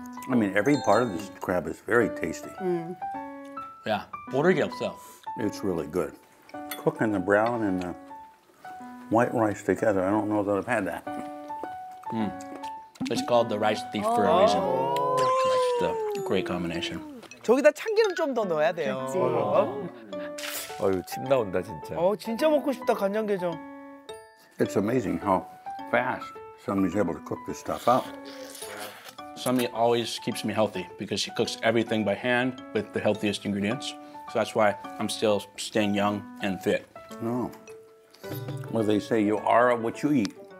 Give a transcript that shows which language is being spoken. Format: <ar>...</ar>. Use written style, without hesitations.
<en>I mean, every part of this crab is very tasty.</en> <ko>Yeah, 모르게 없어.</ko> <en>It's really good. Cooking the brown and the white rice together, I don't know that I've had that. It's called the rice thief for a reason. It's a great combination.</en> <ko>저기다 참기름 좀 더 넣어야 돼요. 어유, 침 나온다 진짜. 어, 진짜 먹고 싶다 간장게장.</ko> <en>It's amazing how fast somebody's able to cook this stuff up. Somebody always keeps me healthy because she cooks everything by hand with the healthiest ingredients. So that's why I'm still staying young and fit. No. Well, they say you are what you eat.</en>